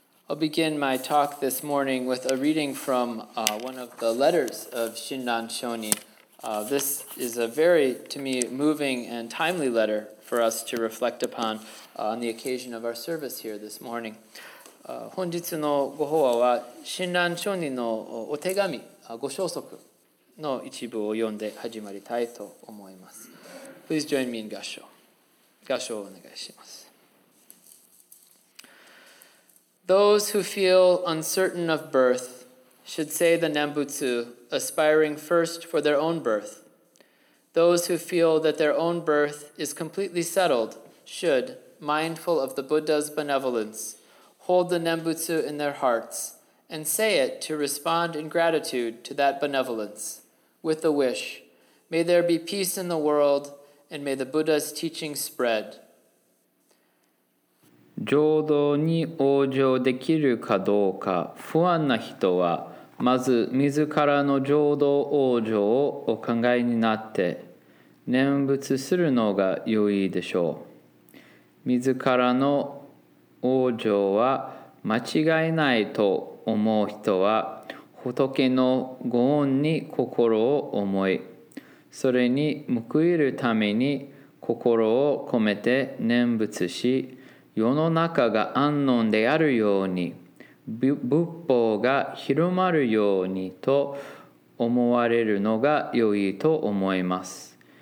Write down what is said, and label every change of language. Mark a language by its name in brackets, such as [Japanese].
[English] I'll begin my talk this morning with a reading from one of the letters of Shinran Shoni. This is a very, to me, moving and timely letter for us to reflect upon on the occasion of our service here this morning. [Japanese] 本日のご法話は親鸞聖人のお手紙ご消息の一部を読んで始まりたいと思います。 [English] Please join me in 合唱。 [Japanese] 合唱をお願いします。 [English] Those who feel uncertain of birth should say the Nembutsu, aspiring first for their own birth. Those who feel that their own birth is completely settled should, mindful of the Buddha's benevolence,hold the Nembutsu in their hearts, and say it to respond in gratitude to that benevolence, with the wish, may there be peace in the world, and may the Buddha's teaching spread. [Japanese] 浄土に往生できるかどうか不安な人は、まず自らの浄土往生をお考えになって、念仏するのが良いでしょう。自らの往生は間違いないと思う人は仏の御恩に心を思い、それに報いるために心を込めて念仏し、世の中が安穏であるように仏法が広まるようにと思われるのが良いと思います。